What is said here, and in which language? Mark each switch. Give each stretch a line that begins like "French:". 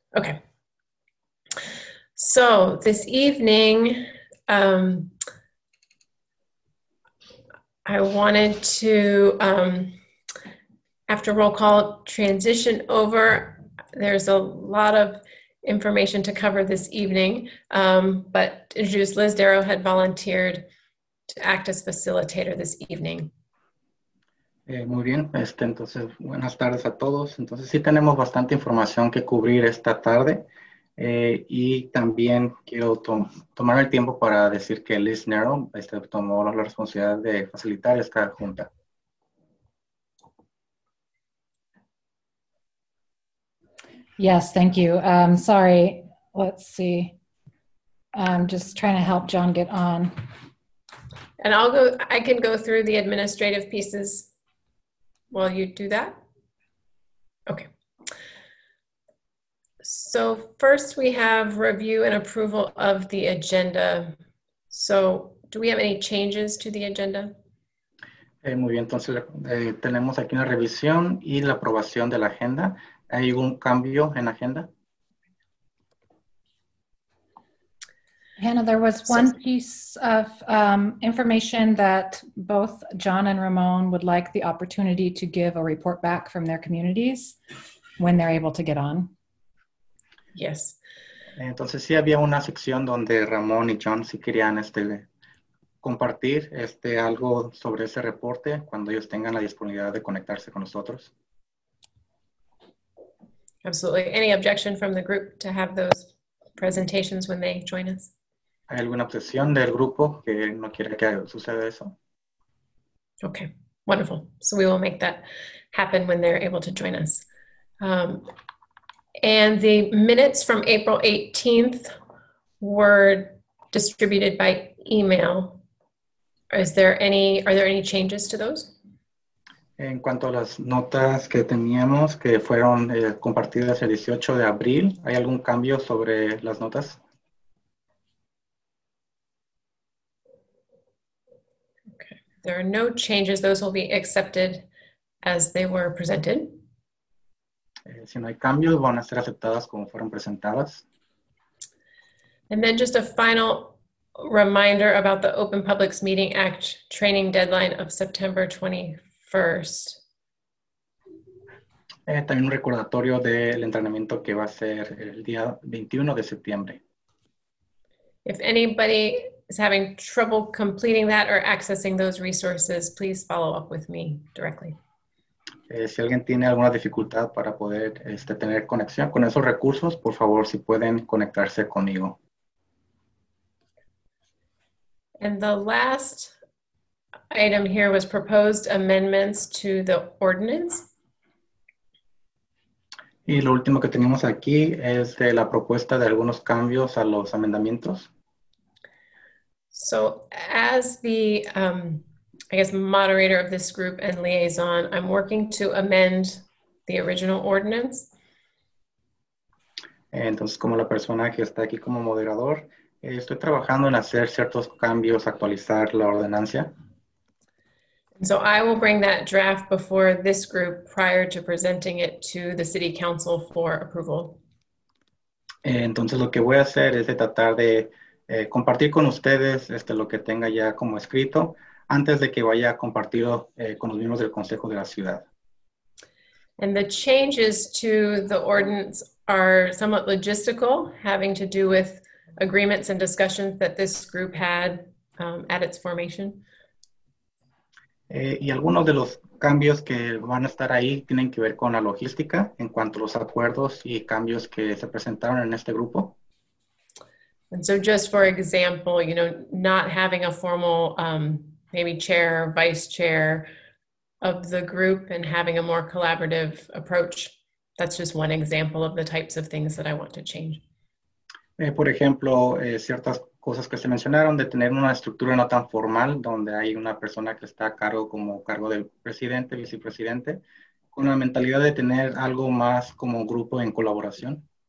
English: Okay. So this evening, I wanted to, after roll call, transition over. There's a lot of information to cover this evening, but introduce Liz Darrow had volunteered to act as facilitator this evening.
Spanish: Muy bien, entonces buenas tardes a todos. Entonces sí tenemos bastante información que cubrir esta tarde y también quiero tomar el tiempo para decir que Liz Nero tomó la responsabilidad de facilitar esta junta.
English: Yes, thank you. Sorry, let's see. I'm just trying to help John get on. And I'll go, I can go through the administrative pieces. Will you do that? Okay. So first we have review and approval of the agenda. So do we have any changes to the agenda?
Spanish: Muy bien, entonces tenemos aquí una revisión y la aprobación de la agenda. ¿Hay algún cambio en la agenda?
English: Hannah, there was one piece of information that both John and Ramon would like the opportunity to give a report back from their communities when they're able to get on. Yes.
Spanish: Entonces sí había una sección donde Ramón y John sí querían compartir algo sobre ese reporte cuando ellos tengan la disponibilidad de conectarse con nosotros.
English: Absolutely. Any objection from the group to have those presentations when they join us?
Spanish: ¿Hay alguna objeción del grupo que no quiere que suceda eso?
English: Okay, wonderful. So we will make that happen when they're able to join us. And the minutes from April 18th were distributed by email. Are there any changes to those?
Spanish: En cuanto a las notas que teníamos que fueron compartidas el 18 de abril, ¿hay algún cambio sobre las notas?
English: there are no changes, those will be accepted as they were presented.
Spanish: Si no hay cambios, van a ser aceptadas como fueron presentadas.
English: And then just a final reminder about the Open Public Meeting Act training deadline of September 21st.
Spanish: También un recordatorio del entrenamiento que va a ser el día 21 de septiembre.
English: If anybody is having trouble completing that or accessing those resources, please follow up with me directly.
Spanish: Si alguien tiene alguna dificultad para poder tener conexión con esos recursos, por favor, si pueden conectarse conmigo.
English: And the last item here was proposed amendments to the ordinance.
Spanish: Y lo último que tenemos aquí es de la propuesta de algunos cambios a los amendamientos.
English: So as the, I guess, moderator of this group and liaison, I'm working to amend the original ordinance.
Spanish: Entonces, como la persona que está aquí como moderador, estoy trabajando en hacer ciertos cambios, actualizar la ordenancia.
English: So I will bring that draft before this group prior to presenting it to the City Council for approval.
Spanish: Entonces, lo que voy a hacer es de tratar de compartir con ustedes lo que tenga ya como escrito antes de que vaya compartido con los miembros del Consejo de la Ciudad.
English: And the changes to the ordinance are somewhat logistical, having to do with agreements and discussions that this group had at its formation.
Spanish: Y algunos de los cambios que van a estar ahí tienen que ver con la logística en cuanto a los acuerdos y cambios que se presentaron en este grupo.
English: And so just for example, you know, not having a formal maybe chair or vice chair of the group and having a more collaborative approach. That's just one example of the types of things that I want to change.
Spanish: Por ejemplo, ciertas cosas que se mencionaron de tener una estructura no tan formal donde hay una persona que está a cargo como cargo del presidente, vicepresidente, con la mentalidad de tener algo más como grupo en colaboración.